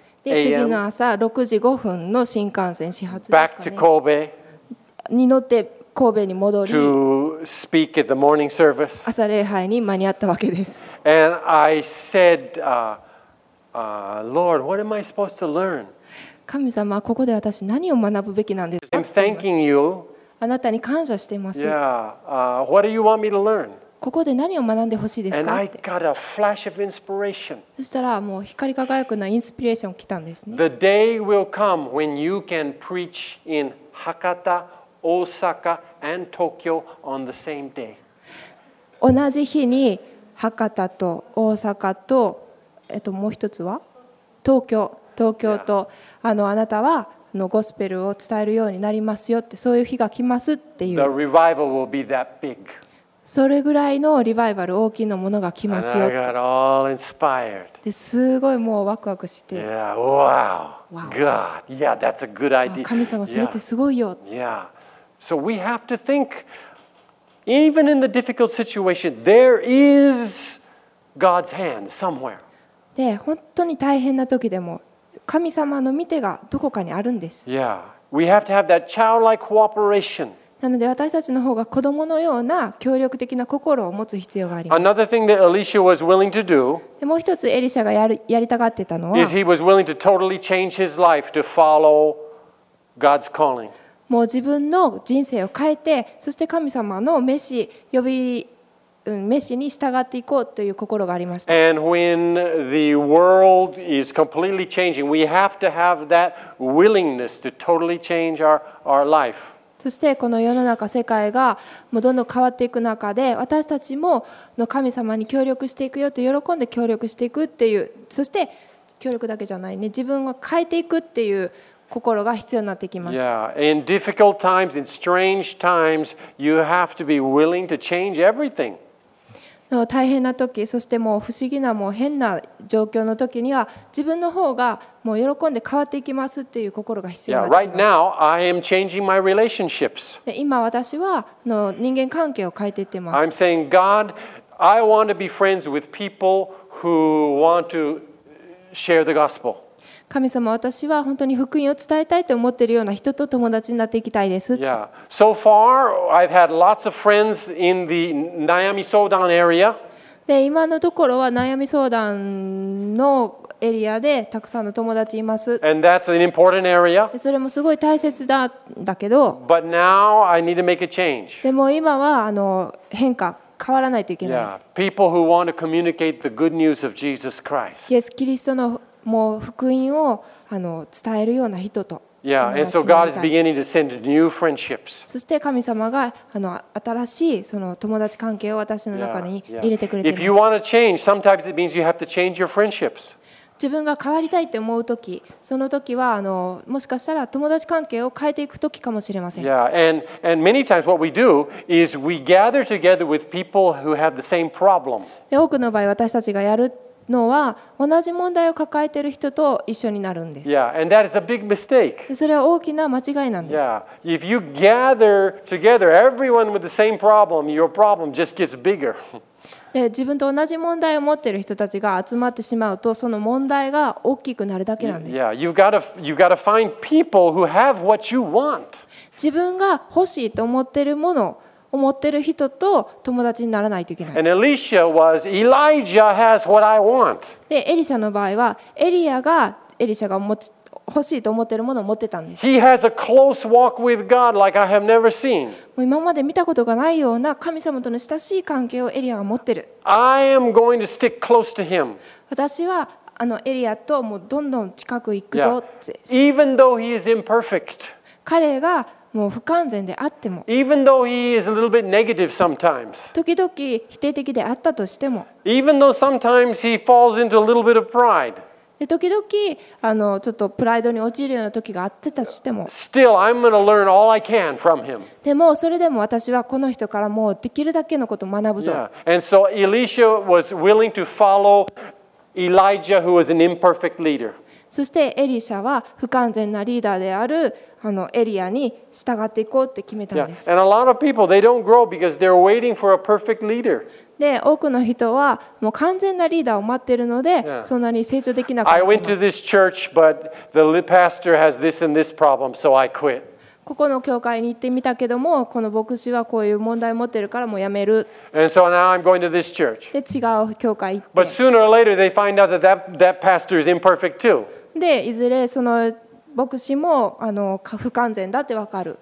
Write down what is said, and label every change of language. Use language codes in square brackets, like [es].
[ja] で、次の朝6時5分の新幹線始発ですかね。 [en] Back to Kobe. [ja] に乗って神戸に戻り。 [en] To speak at the morning service. [ja] 朝礼拝に間に合ったわけです。 [en] And I said, Lord, what am I supposed to learn? [ja] 神様ここで私何を学ぶべきなんですか [en] I'm thanking you. [ja] あなたに感謝しています yeah. [en] What do you want me to learn? [ja] ここで何を学んでほしいですか [en] And I got a flash of inspiration. [ja] そしたらもう光り輝くなインスピレーション来たんですね [en] The day will come when you can preach in Hakata, Osaka and Tokyo on the same day. [ja] 同じ日に博多と大阪と、もう一つは東京東京と、yeah. あなたはゴスペルを伝えるようになりますよってそういう日が来ますっていう [en] The revival will be that big. [ja] それぐらいのリバイバル大きなものが来ますよって [en] And I got all inspired. [ja] ですごいもうワクワクして [en] yeah. Wow. God. Yeah, that's a good idea. [ja] 神様それってすごいよ yeah. Yeah. [en] So we have to think even in the difficult situation there is God's hand somewhere. [ja] で本当に大変な時でも神様の御手がどこかにあるんです。 Yeah. [en] We have to have that childlike cooperation. [ja] なので私たちの方が子供のような協力的な心を持つ必要があります。 [en] Another thing that Elisha was willing to do. [ja] でもう一つエリシャがやりたがってたのは、 [en] is he was willing to totally change his life to follow God's calling. [ja] もう自分の人生を変えて、そして神様の召し呼び召しに従っていこうという心がありました。 [en] And when the world is completely changing, we have to have that willingness to totally change our life. [ja] そしてこの世の中世界がもうどんどん変わっていく中で、私たちもの神様に協力していくよと喜んで協力していくっていう、そして協力だけじゃないね、自分を変えていくっていう心が必要になってきます。 [en] Yeah, in difficult times, in strange times, you have to be willing to change everything. [ja] 大変な時、そしてもう不思議なもう変な状況の時には、自分の方がもう喜んで変わっていきますっていう心が必要になります。 [en] Yeah, right now I am changing my relationships. [ja] 今私は人間関係を変えていってます。 [en] I'm saying, God, I want to be friends with people who want to share the gospel. [ja] 神様、私は本当に福音を伝えたいと思っているような人と友達になっていきたいです。 Yeah. [en] So far, I've had lots of friends in the Nayami Sodan area. [ja] で、今のところは悩み相談のエリアでたくさんの友達います。 [en] And that's an important area. [ja] それもすごい大切だんだけど。 [en] But now I need to make a change. [ja] でも今は変化。変わらないといけない。 Yeah. [en] People who want to communicate the good news of Jesus Christ. [ja] イエス・キリストのもう福音を伝えるような人と [en] yeah, and so God is beginning to send new friendships. [ja] そして神様が新しいその友達関係を私の中に入れてくれています。 [en] If you want to change, sometimes it means you have to change your friendships. [ja] 自分が変わりたいと思うとき、そのときはもしかしたら友達関係を変えていくときかもしれません。 [en] Yeah, and many times what we do is we gather together with people who have the same problem. [ja] 多くの場合私たちがやるのは同じ問題を抱えている人と一緒になるんです。 [en] Yeah, and that is a big mistake. [ja] それは大きな間違いなんです。 [en] Yeah, if you gather together everyone with the same problem, your problem just gets bigger. [ja] で、自分と同じ問題を持っている人たちが集まってしまうと、その問題が大きくなるだけなんです。 [en] Yeah, you've got to find people who have what you want. [ja] 自分が欲しいと思っているもの思ってる人と友達にならないといけない。 [en] And Elisha was, Elijah has what I want. [ja] で、エリシャの場合は、エリシャが欲しいと思ってるものを持ってたんです。 [en] He has a close walk with God like I have never seen. [ja] もう今まで見たことがないような神様との親しい関係をエリアが持ってる。 [en] I am going to stick close to him. [ja] 私はエリアともうどんどん近く行くぞって。 Yeah. [en] Even though he is imperfect. [ja] 彼がもう不完全であっても。 [en] Even though he is a little bit negative sometimes. [ja] 時々否定的であったとしても。 [en] Even though sometimes he falls into a little bit of pride. [ja] で時々ちょっとプライドに陥るような時があってたとしても [en] Still, I'm gonna learn all I can from him. [ja] でもそれでも私はこの人からもうできるだけのことを学ぶぞ、 yeah. [en] And so Elisha was willing to follow Elijah, who was an imperfect leader. [ja] そしてエリシャは不完全なリーダーであるエリアに従っていこうって決めたんです、 [en] yeah. And a lot of people, they don't grow because they're waiting for a perfect leader. [ja] で多くの人はもう完全なリーダーを待っているので、yeah. そんなに成長できなかった。 [en] I went to this church, but the pastor has this and this problem, so I quit. [ja] ここの教会に行ってみたけども、この牧師はこういう問題を持ってるからもうやめる。 [en] And so now I'm going to this church. [ja] で違う教会行って。 [en] But sooner or later they find out that pastor is imperfect too. [ja] でいずれその牧師も不完全だってわかる。